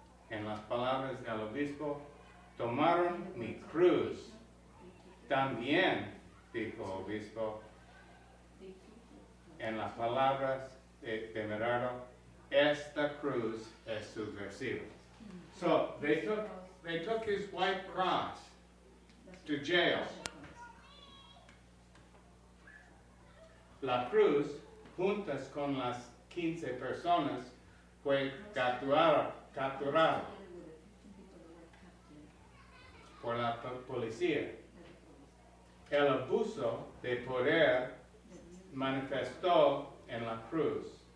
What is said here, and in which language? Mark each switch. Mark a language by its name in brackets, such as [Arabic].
[Spanish] En las palabras del obispo, tomaron mi cruz. También, dijo el obispo, en las palabras de Merardo, esta cruz es subversiva. [English] So, they took his white cross to jail. [Spanish] La cruz, juntas con las 15 personas, fue capturada por la policía. El abuso de poder manifestó en la cruz.